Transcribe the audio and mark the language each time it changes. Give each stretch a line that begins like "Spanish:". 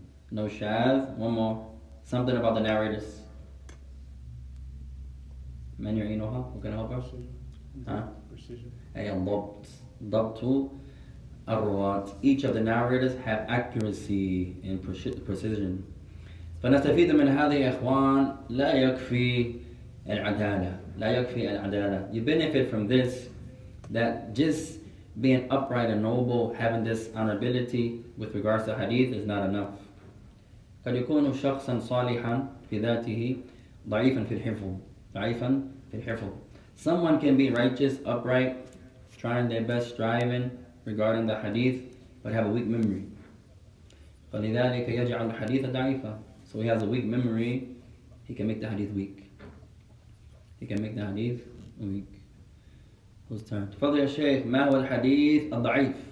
English: No shadh, one more. Something about the narrators.
Arabic: Man yu'inuha,
English: who can help us? Precision.
Arabic: Ay, dabt. Dabtu.
English: Each of the narrators have accuracy and precision.
Arabic: فنستفيد من هذه إخوان لا يكفي العدالة لا يكفي العدالة.
English: You benefit from this that just being upright and noble, having this honorability with regards to hadith is not enough.
Arabic: قد يكون شخصا صالحا في ذاته ضعيفا في الحفظ ضعيفا في الحفظ.
English: Someone can be righteous, upright, trying their best, striving regarding the hadith, but have a weak memory.
Arabic: فلذلك يجعل الحديث ضعيفا.
English: So he has a weak memory, he can make the hadith weak. He can make the hadith weak. Whose turn?
Arabic: تفضل يا شيخ, ما هو الحديث الضعيف?